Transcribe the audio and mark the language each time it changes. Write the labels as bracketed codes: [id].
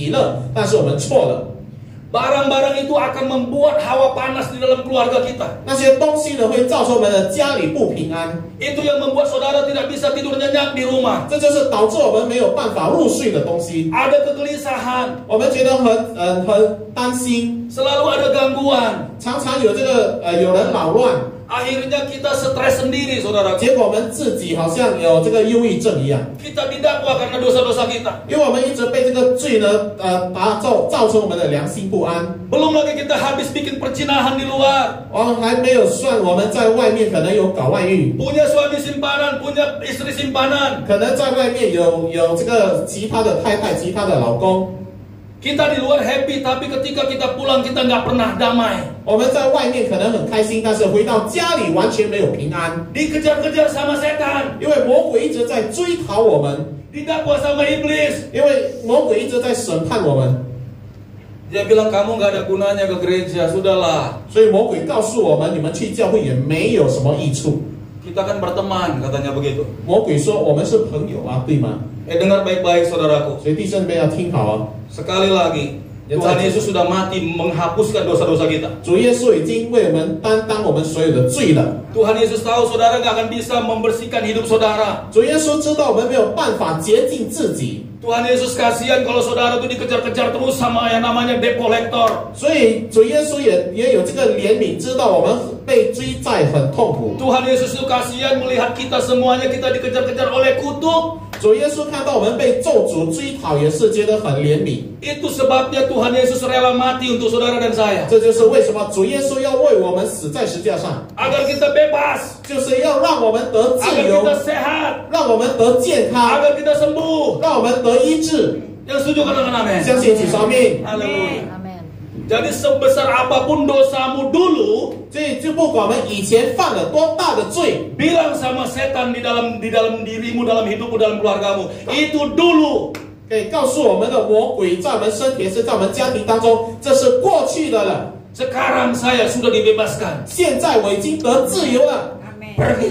[zh] 我们呢，可能我们贪污还是偷窃的东西，我们还是欺骗的东西带到家里，我们以为我们喜乐，但是我们错了。 [id] Barang-barang itu akan membuat hawa panas di dalam keluarga kita. [zh] 那些东西呢会造成我们的家里不平安。 [id] Itu yang membuat saudara tidak bisa tidur nyenyak di rumah. [zh] 这就是导致我们没有办法入睡的东西。 [id] Ada kegelisahan. [zh] 我们觉得很担心。 [id] Selalu ada gangguan. [zh] 常常有这个有人扰乱。 [id] Akhirnya kita stres sendiri, saudara. [zh] 结果我们自己好像有这个忧郁症一样。 [id] Kita didakwa karena dosa-dosa kita. [zh] 因为我们一直被这个罪呢，造成我们的良心不安。 [id] Belum lagi kita habis bikin perzinahan di luar. [zh] 还没有算我们在外面可能有搞外遇。 [id] Punya suami simpanan, punya istri simpanan. [zh] 可能在外面有这个其他的太太、其他的老公。 [id] Kita di luar happy, tapi ketika kita pulang kita nggak pernah damai. [zh] 我们在外面可能很开心，但是回到家里完全没有平安。 [id] Dikejar-kejar sama setan. [zh] 因为魔鬼一直在追讨我们。 [id] Didakwa sama iblis. [zh] 因为魔鬼一直在审判我们。 [id] Dia bilang kamu nggak ada gunanya ke gereja, sudahlah. [zh] 所以魔鬼告诉我们，你们去教会也没有什么益处。 [id] Kita kan berteman, katanya begitu. [zh] 魔鬼说我们是朋友啊，对吗？ [id] Eh, dengar baik-baik, saudaraku. [zh] 所以弟兄们要听好啊。 [id] Sekali lagi, Tuhan Yesus sudah mati menghapuskan dosa-dosa kita. [zh] 主耶稣已经为我们担当我们所有的罪了。 [id] Tuhan Yesus tahu saudara gak akan bisa membersihkan hidup saudara. [zh] 主耶稣知道我们没有办法洁净自己。 [id] Tuhan Yesus kasihan kalau saudara itu dikejar-kejar terus sama yang namanya debt collector. [zh] 所以主耶稣也有这个怜悯，知道我们被追债很痛苦。 [id] Tuhan Yesus itu kasihan melihat kita semuanya kita dikejar-kejar oleh kutuk. [zh] 主耶稣看到我们被咒诅追讨，也是觉得很怜悯。 [id] Itu sebabnya Tuhan Yesus rela mati untuk saudara dan saya. [zh] 这就是为什么主耶稣要为我们死在十字架上。 [id] Agar kita bebas. [zh] 就是要让我们得自由。 [id] Agar kita sehat. [zh] 让我们得健康。 [id] Agar kita sembuh. [zh] 让我们得医治。 [id] Yang setuju katakan amin. [zh] 相信请说明。 [id] Amin. Jadi sebesar apapun dosamu dulu. [zh] 这就不管我们以前犯了多大的罪。 [id] Bilang sama setan di dalam dirimu, dalam hidupmu, dalam keluargamu. Itu dulu. [zh] 可以告诉我们的魔鬼在我们身体是在我们家庭当中，这是过去的了。 [id] Sekarang saya sudah dibebaskan. [zh] 现在我已经得自由了。Pergi